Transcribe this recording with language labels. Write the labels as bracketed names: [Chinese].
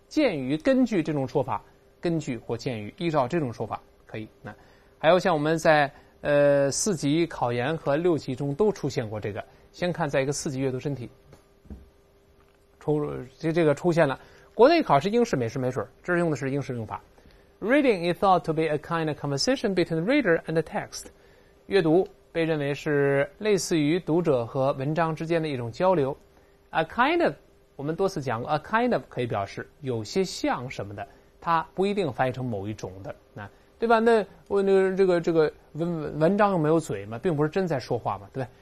[Chinese] 鉴于根据这种说法，根据或鉴于依照这种说法可以。那还有像我们在四级考研和六级中都出现过这个，先看在一个四级阅读真题，这个出现了。国内考试英式美式没准，这是用的是英式用法。 [English] Reading is thought to be a kind of conversation between the reader and the text， [Chinese] 阅读。被认为是类似于读者和文章之间的一种交流。 A kind of， 我们多次讲过 A kind of 可以表示有些像什么的，它不一定翻译成某一种的，对吧？那这个 文章又没有嘴嘛，并不是真在说话嘛，对吧？